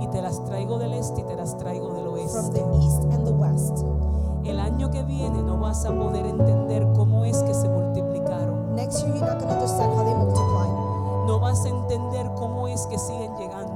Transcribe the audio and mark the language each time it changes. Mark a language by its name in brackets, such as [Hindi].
[Spanish] Y te las traigo del este y te las traigo del oeste. [English] From the east and the west. [Spanish] El año que viene no vas a poder entender cómo es que se multiplicaron. [English] Next year you're not going to understand how they multiplied. [Spanish] No vas a entender cómo es que siguen llegando.